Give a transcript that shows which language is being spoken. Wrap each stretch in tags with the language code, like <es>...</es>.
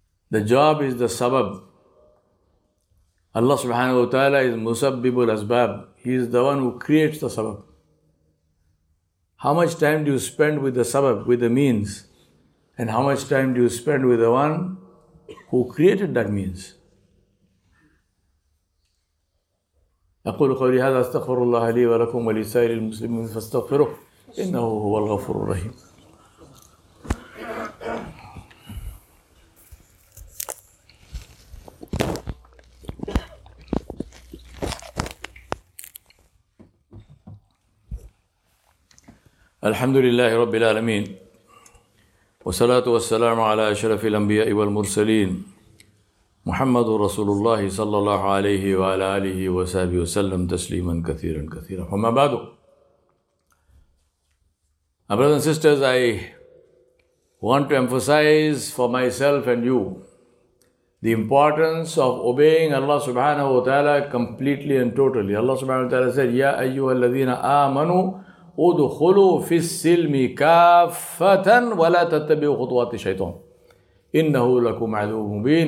<en>The job is the sabab. Allah subhanahu wa ta'ala is Musabbibul Asbab. He is the one who creates the sabab. How much time do you spend with the sabab, with the means? And how much time do you spend with the one who created that means?</en> <ar>أقول قولي هذا استغفر الله لي ولكم ولسائر المسلمين فاستغفروه إنه هو الغفور الرحيم. الحمد لله رب العالمين. والصلاة والسلام على أشرف الأنبياء والمرسلين محمد رسول الله صلى الله عليه وعلى آله وصحبه وسلم تسليما كثيرا كثيرا. فما بعد.</ar> <en>My brothers and sisters, I want to emphasize for myself and you the importance of obeying Allah subhanahu wa ta'ala completely and totally. Allah subhanahu wa ta'ala said,</en> <ar>يَا أَيُّهَا الَّذِينَ آمَنُوا أُدْخُلُوا فِي السِّلْمِ كَافَّةً وَلَا تَتَّبِعُوا خُطُوَاتِ الشَّيْطَانِ إِنَّهُ لَكُمْ عَدُوٌّ مُبِينٌ.</ar>